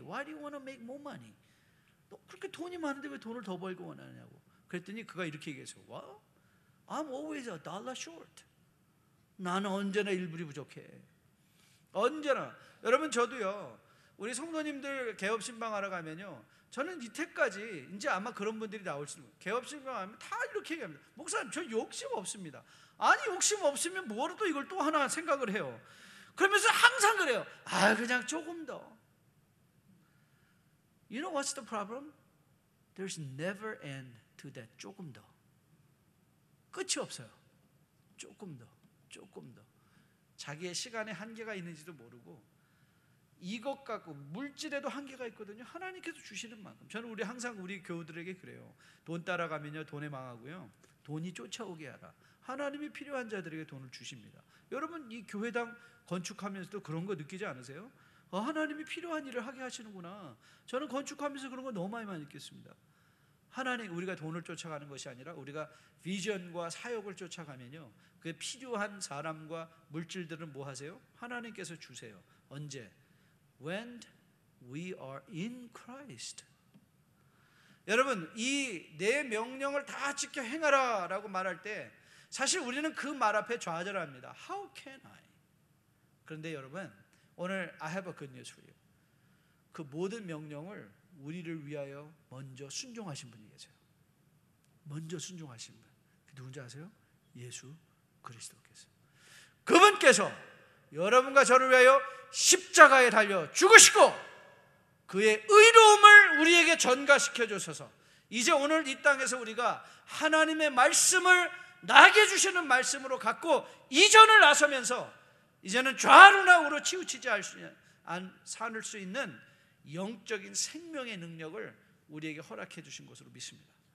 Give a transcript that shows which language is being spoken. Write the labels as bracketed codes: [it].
[en] Why do you want to make more money? [ko] 너 그렇게 돈이 많은데 왜 돈을 더 벌고 원하냐고. 그랬더니 그가 이렇게 얘기했어요. [en] What? I'm always a dollar short. [ko] 나는 언제나 1불이 부족해. 언제나. 여러분 저도요. 우리 성도님들 개업신방 하러 가면요. 저는 이때까지 이제 아마 그런 분들이 나올 수 있는 개업신방 하면 다 이렇게 얘기합니다. 목사님 저 욕심 없습니다. 아니 욕심 없으면 뭐로 또 이걸 또 하나 생각을 해요. 그러면서 항상 그래요. 아 그냥 조금 더. [en] You know what's the problem? There's never end to that [ko] 조금 더. 끝이 없어요. 조금 더, 조금 더. 자기의 시간에 한계가 있는지도 모르고 이것 갖고 물질에도 한계가 있거든요. 하나님께서 주시는 만큼. 저는 우리 항상 우리 교우들에게 그래요. 돈 따라가면요 돈에 망하고요. 돈이 쫓아오게 하라. 하나님이 필요한 자들에게 돈을 주십니다. 여러분 이 교회당 건축하면서도 그런 거 느끼지 않으세요? 어, 하나님이 필요한 일을 하게 하시는구나. 저는 건축하면서 그런 거 너무 많이 느꼈습니다. 하나님 우리가 돈을 쫓아가는 것이 아니라 우리가 비전과 사역을 쫓아가면요 그 필요한 사람과 물질들은 뭐 하세요? 하나님께서 주세요. 언제? [en] When we are in Christ. [ko] 여러분 이 내 명령을 다 지켜 행하라 라고 말할 때 사실 우리는 그 말 앞에 좌절합니다. [en] How can I? [ko] 그런데 여러분 오늘 [en] I have a good news for you. [ko] 그 모든 명령을 우리를 위하여 먼저 순종하신 분이 계세요. 먼저 순종하신 분. 누군지 아세요? 예수 그리스도께서. 그분께서 여러분과 저를 위하여 십자가에 달려 죽으시고 그의 의로움을 우리에게 전가시켜 주셔서 이제 오늘 이 땅에서 우리가 하나님의 말씀을 나에게 주시는 말씀으로 갖고 이전을 나서면서 이제는 좌로나 우로 치우치지 않을 수 있는 영적인 생명의 능력을 우리에게 허락해 주신 것으로 믿습니다.